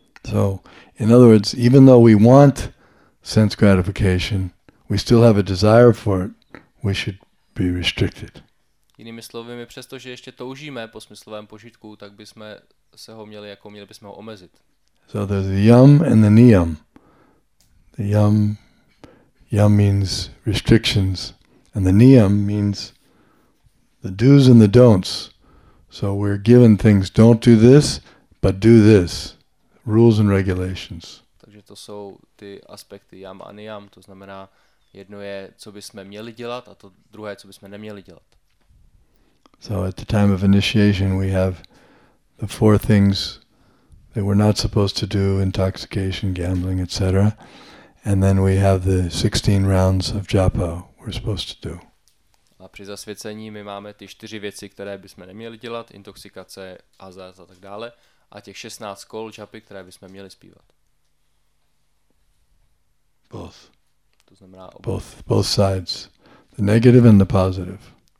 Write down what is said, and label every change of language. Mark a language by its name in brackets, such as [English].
[English] So, in other words, even though we want sense gratification, we still have a desire for it, we should be restricted. [Czech] Jinými slovy, my přesto, že ještě toužíme po smyslovém požitku, tak bychom se ho měli, jako měli bychom ho omezit. [English] So there's the yam and the niyam. The yam, yam means restrictions, and the niyam means the do's and the don'ts. So we're given things, don't do this, but do this. Rules and regulations. [Czech] Takže to jsou ty aspekty yam a niyam, to znamená, jedno je, co bychom měli dělat, a to druhé, co bychom neměli dělat. [English] So at the time of initiation, we have the four things that we're not supposed to do, intoxication, gambling, etc. And then we have the 16 rounds of japa we're supposed to do. [Czech] A při zasvěcení my máme ty čtyři věci, které bychom neměli dělat, intoxikace, hazard a tak dále, a těch 16 kol japy, které bychom měli zpívat. [English] Both. [Czech] To znamená [English] both sides. The negative and the positive.